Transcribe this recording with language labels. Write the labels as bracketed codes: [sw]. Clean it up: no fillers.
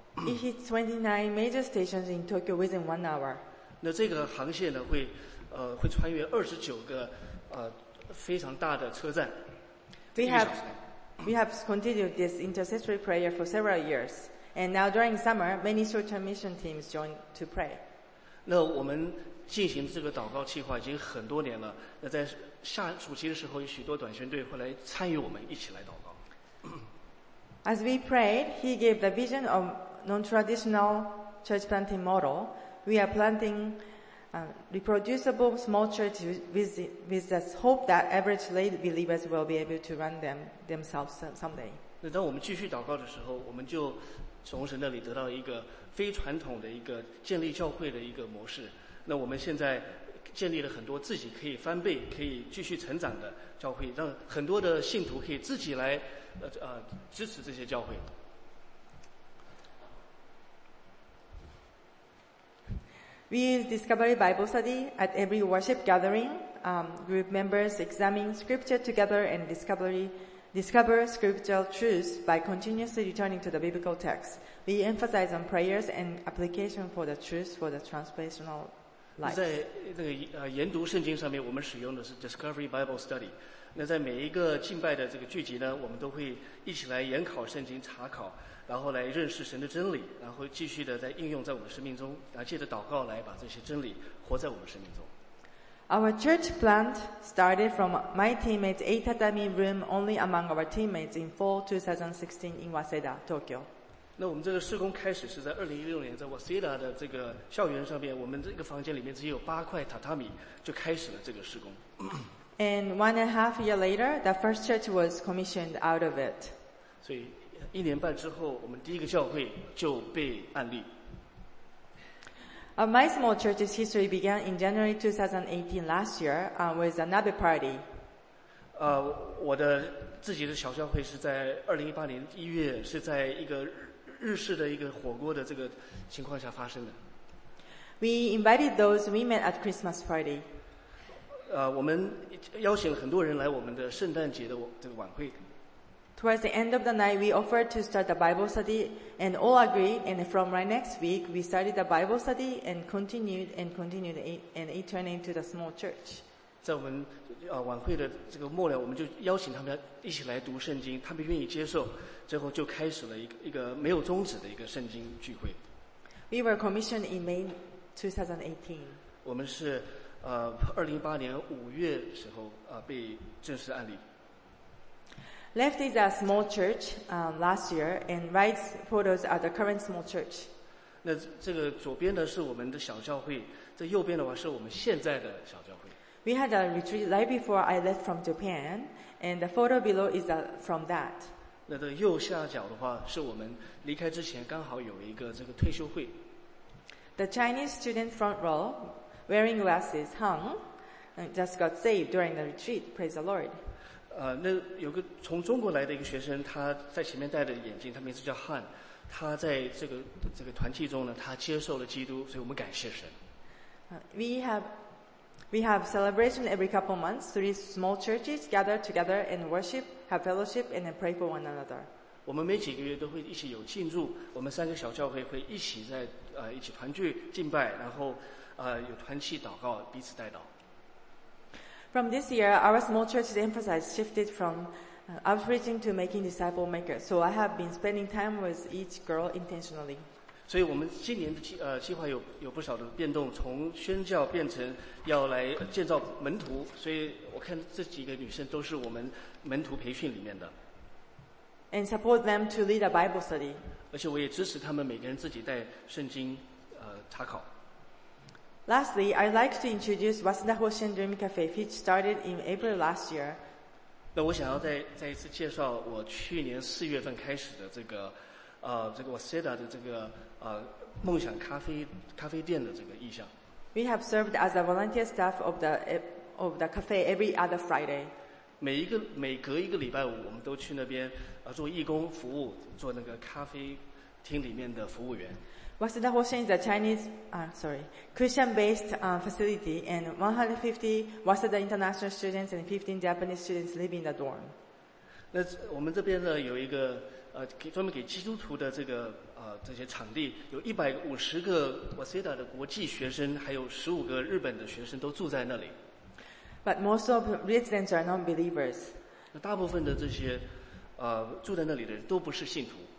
[en] It hits 29 major stations in Tokyo within 1 hour. [zh] 那这个航线呢，会穿越29个非常大的车站。 [en] We have continued this intercessory prayer for several years, and now during summer, many short-term mission teams join to pray. [zh] 那我们进行这个祷告计划已经很多年了，那在下暑期的时候有许多短宣队会来参与我们一起来祷告。 [en] As we prayed, he gave the vision of non-traditional church planting model. We are planting reproducible small church with this hope that average lay believers will be able to run them themselves someday. [zh] 那当我们继续祷告的时候，我们就从神那里得到一个非传统的一个建立教会的一个模式。那我们现在建立了很多自己可以翻倍、可以继续成长的教会，让很多的信徒可以自己来支持这些教会。 [en] We use discovery Bible study at every worship gathering. Group members examine scripture together and discover scriptural truths by continuously returning to the biblical text. We emphasize on prayers and application for the truth for the transformational life. [zh] 在那个研读圣经上面，我们使用的是 [en] discovery Bible study。 [zh] 那在每一个敬拜的这个聚集呢，我们都会一起来研考圣经查考，然后来认识神的真理，然后继续的在应用在我们生命中，然后借着祷告来把这些真理活在我们生命中。 [en] Our church plant started from my teammates Aitatami room only among our teammates in fall 2016 in Waseda, Tokyo. [zh] 那我们这个事工开始是在2016年在 Waseda 的这个校园上面，我们这个房间里面只有八块榻榻米就开始了这个事工。 [en] And 1.5 years later, the first church was commissioned out of it. [zh] 所以一年半之后，我们第一个教会就被案例。 [en] My small church's history began in January 2018 last year with a Nabe party. [zh] 我的自己的小教会是在2018年1月是在一个日式的一个火锅的这个情况下发生的。 [en] We invited those we met at Christmas party. [zh] 我们邀请了很多人来我们的圣诞节的这个晚会。 [en] Towards the end of the night, we offered to start the Bible study, and all agreed. And from right next week, we started the Bible study and continued, and it turned into the small church. [zh] 在我们晚会的这个末了，我们就邀请他们一起来读圣经，他们愿意接受，最后就开始了一个没有终止的一个圣经聚会。 [en] We were commissioned in May 2018. [zh] 我们是2018年五月时候被正式案例。 [en] Left is a small church last year, and right photos are the current small church. [zh] 那这个左边的是我们的小教会，这右边的话是我们现在的小教会。 [en] We had a retreat right before I left from Japan, and the photo below is from that. [zh] 那这个右下角的话是我们离开之前刚好有一个这个退休会。 [en] The Chinese student front row, wearing glasses, hung, just got saved during the retreat. Praise the Lord. [zh] 那有个从中国来的一个学生，他在前面戴着眼镜，他名字叫 Han， 他在这个团契中呢，他接受了基督，所以我们感谢神。 [en] We have celebration every couple months. Three small churches gather together and worship, have fellowship, and then pray for one another. [zh] 我们每几个月都会一起有庆祝，我们三个小教会会一起在一起团聚敬拜，然后有团契祷告，彼此代祷。 [en] From this year, our small church's emphasis shifted from outreaching to making disciple makers. So I have been spending time with each girl intentionally. [zh] 所以我们今年的计划有不少的变动，从宣教变成要来建造门徒。所以我看这几个女生都是我们门徒培训里面的。 [en] And support them to lead a Bible study. [zh] 而且我也支持他们每个人自己带圣经查考。 [en] Lastly, I'd like to introduce Waseda Hoshin Dream Cafe, which started in April last year. [zh] 那我想要再一次介绍我去年四月份开始的这个 Waseda 的这个梦想咖啡店的这个意向。 [en] We have served as a volunteer staff of the cafe every other Friday. [zh] 每隔一个礼拜五，我们都去那边做义工服务，做那个咖啡厅里面的服务员。 [en] Waseda Hoshin is a Christian-based facility, and 150 Waseda international students and 15 Japanese students live in the dorm. [zh] 那我们这边呢有一个专门给基督徒的这个这些场地，有150个 Waseda 的国际学生，还有15个日本的学生都住在那里。 [en] But most of residents are non-believers. [zh] 那大部分的这些住在那里的人都不是信徒。